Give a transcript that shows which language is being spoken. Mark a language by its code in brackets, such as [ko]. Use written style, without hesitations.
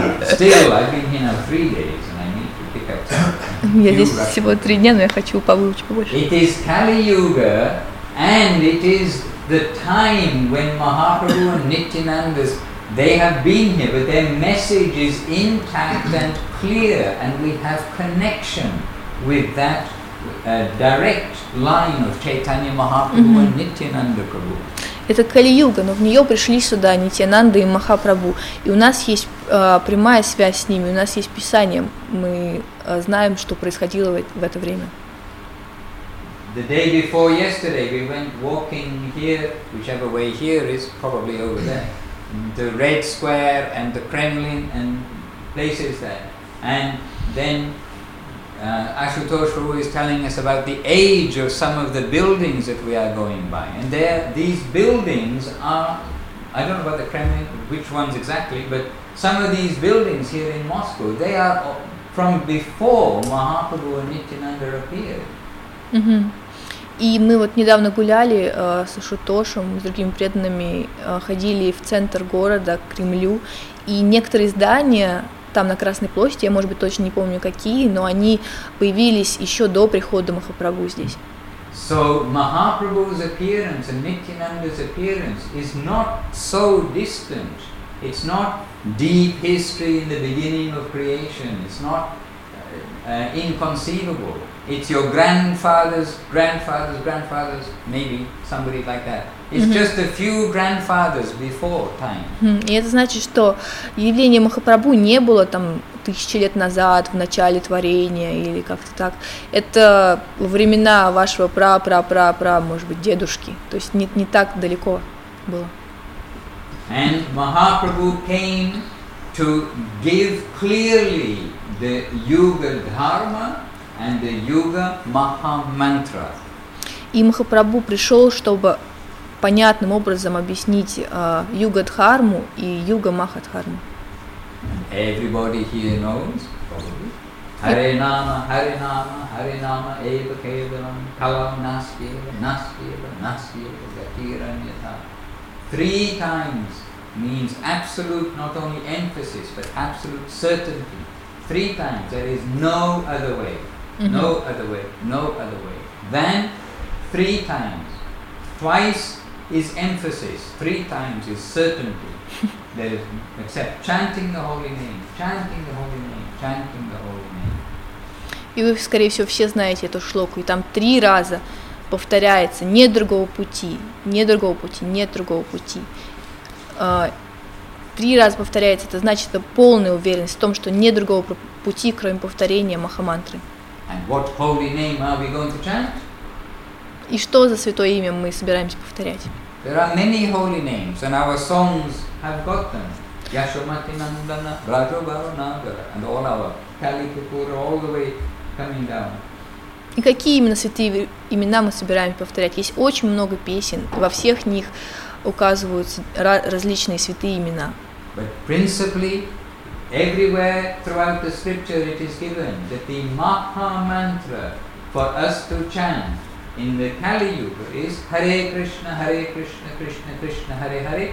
[en] Still, I've been here now 3 days and I need to pick up something. [ru] Я здесь всего три дня, но я хочу побыть побольше. [en] It is Kali-Yuga, and it is the time when Mahaprabhu and Nityanandas, they have been here, but their message is intact and clear, and we have connection with that direct line of Chaitanya Mahaprabhu and Nityananda Prabhu. [ru] Это Кали-Юга, но в нее пришли сюда Нитьянанда и Махапрабху. И у нас есть прямая связь с ними, у нас есть Писание. Мы знаем, что происходило в это время. [en] The day before yesterday we went walking here, whichever way here is, probably over there. The Red Square and the Kremlin and places there. And then Ashutosh Prabhu is telling us about the age of some of the buildings that we are going by. And there, these buildings are, I don't know about the Kremlin, which ones exactly, but some of these buildings here in Moscow, they are from before Mahaprabhu and Nityananda appeared. Mm-hmm. [ru] И мы вот недавно гуляли с Ашутошем, с другими преданными, ходили в центр города, к Кремлю, и некоторые здания там на Красной площади, я, может быть, точно не помню, какие, но они появились еще до прихода Махапрабху здесь. [en] So, Mahaprabhu's appearance and Nityananda's appearance is not so distant. It's not deep history in the beginning of creation. It's not inconceivable. It's your grandfather's grandfather's grandfather's, maybe somebody like that. It's just a few grandfathers before time. [ru] И это значит, что явление Махапрабху не было там тысячи лет назад, в начале творения или как-то так. Это времена вашего пра-пра-пра-пра, может быть, дедушки. То есть не так далеко было. [en] And Mahaprabhu came to give clearly the Yuga Dharma and the Yuga Maha Mantra. [ru] И Махапрабху пришел, чтобы понятным образом объяснить Юга Дхарму и Юга Маха Дхарму. [en] Everybody here knows, probably. [sa] Харинама, Харинама, Харинама, Эйва Кевалам, Калам Насьева, Насьева, Насьева, Гатира Ньята. [en] Three times means absolute, not only emphasis, but absolute certainty. Three times, there is no other way. No other way, no other way. Then, three times. Twice is emphasis, three times is certainty. There's, except chanting the holy name, chanting the holy name, chanting the holy name. [ru] И вы, скорее всего, все знаете эту шлоку, и там три раза повторяется: нет другого пути, нет другого пути, нет другого пути. Три раза повторяется, это значит это полная уверенность в том, что нет другого пути, кроме повторения Махамантры. [en] And what holy name are we going to chant? [ru] И что за святое имя мы собираемся повторять? [en] There are many holy names, and our songs have got them. Yashomati Nandana, Rajobhava Nagara, and all our Kali Kapoor, all the way coming down. [ru] И какие именно святые имена мы собираемся повторять? Есть очень много песен, во всех них указываются различные святые имена. [en] But principally, everywhere throughout the scripture it is given that the Maha Mantra for us to chant in the Kali Yuga is Hare Krishna, Hare Krishna, Krishna Krishna, Hare Hare.